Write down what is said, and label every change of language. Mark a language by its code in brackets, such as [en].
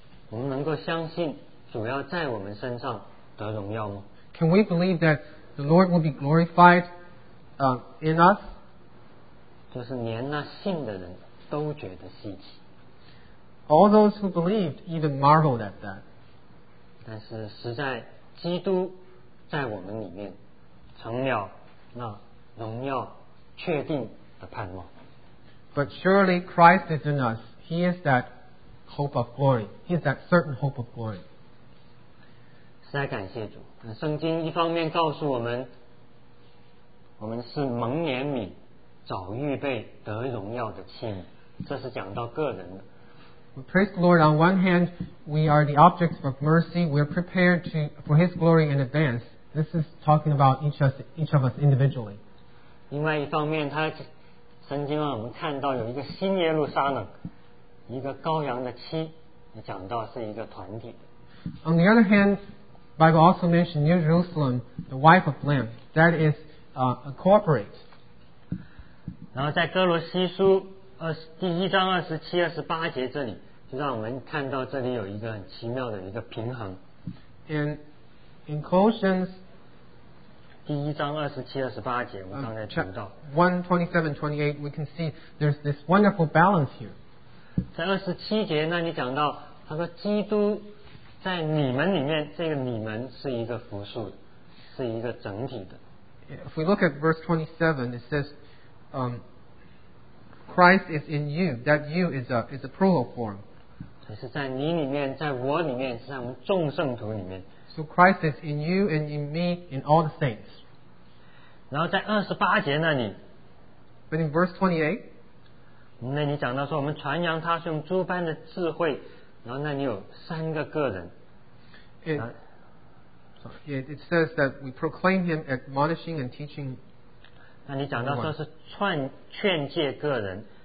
[zh] 我们能够相信主要在我们身上得荣耀吗？ [en] Can we believe that the Lord will be glorified, in us? [zh] 就是连那信的人都觉得稀奇。 [en] All those who believed even marveled at that. [zh] 但是实在基督在我们里面成了那荣耀确定的盼望。 [en] But surely Christ is in us. He is that hope of glory. He is that certain hope of glory. [zh] 实在感谢主。圣经一方面告诉我们，我们是蒙怜悯，早预备得荣耀的器皿。这是讲到个人的。 [en] We praise the Lord. On one hand, we are the objects of mercy. We are prepared to, for His glory in advance. This is talking about each of us individually. [zh] 另外一方面, 他, 曾经让我们看到有一个新耶路撒冷, 一个羔羊的妻, 讲到是一个团体的。 [en] On the other hand, the Bible also mentioned New Jerusalem, the wife of Lamb. That is a corporate. [zh] 然后在哥罗西书, 第一章27-28节这里, 就让我们看到这里有一个很奇妙的一个平衡。 [en] And in Colossians, [zh] 第一章27-28节, 我刚才读到, [en] 1:27-28, we can see there's this wonderful balance here. [zh] 在27节那里讲到, 他说基督在你们里面, 这个你们是一个复数, 是一个整体的。 [en] If we look at verse 27, it says, Christ is in you. That you is a plural form. [zh] 是在你里面，在我里面，是在我们众圣徒里面。 [en] So Christ is in you and in me in all the saints. [zh] 然后在28节那里, [en] but in verse 28, [zh] 那里讲到说我们传扬他是用诸般的智慧，然后那里有三个个人。 [en] It says that we proclaim him admonishing and teaching. [zh] 那你讲到说是劝诫个人。